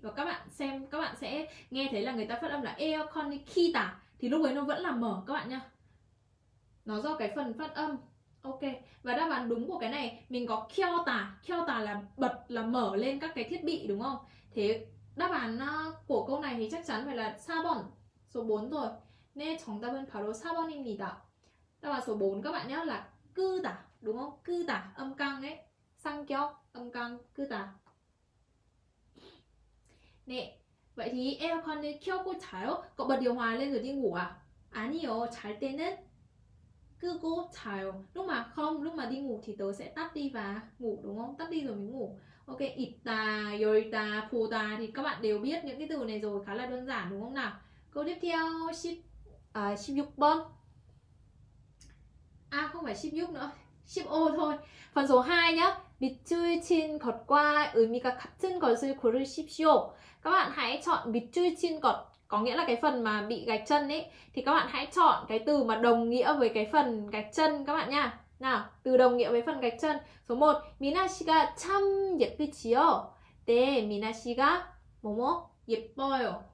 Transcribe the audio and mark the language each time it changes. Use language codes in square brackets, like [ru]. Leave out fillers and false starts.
[vi] Và các bạn xem, các bạn sẽ nghe thấy là người ta phát âm là aircon ki ta. Thì lúc ấy nó vẫn là mở các bạn nhá. Nó do cái phần phát âm. Ok. Và đáp án đúng của cái này mình có kyo ta. Kyo ta là bật, là mở lên các cái thiết bị đúng không? Thế đáp án của câu này thì chắc chắn phải là 4번. Số 4 rồi. [ko] 네, 정답은 바로 4번입니다. [vi] Đáp án số 4 các bạn nhé là cư tả, đúng không? Cư tả, âm căng ấy. Sang kéo, âm căng, cư tả. Nè, vậy thì aircon này kéo cô cháu, cậu bật điều hòa lên rồi đi ngủ à? À nhỉ, cháu tên ấy. Cư cô cháu. Lúc mà không, lúc mà đi ngủ thì tớ sẽ tắt đi và ngủ, đúng không? Tắt đi rồi mới ngủ. Ok, ịt tà, yồi tà, phù tà thì các bạn đều biết những cái từ này rồi, khá là đơn giản đúng không nào? Câu tiếp theo, 16번. À không phải 16 nữa, 15 thôi. Phần số 2 nhá. [ko] 밑줄 친 것과 의미가 같은 것을 고르십시오. [vi] Các bạn hãy chọn [ko] 밑줄 친 것, [vi] có nghĩa là cái phần mà bị gạch chân ấy, thì các bạn hãy chọn cái từ mà đồng nghĩa với cái phần gạch chân các bạn nha. Nào, từ đồng nghĩa với phần gạch chân. Số 1. [ko] 미나 씨가 참 예쁘지요. 네, 미나 씨가 뭐뭐 예뻐요.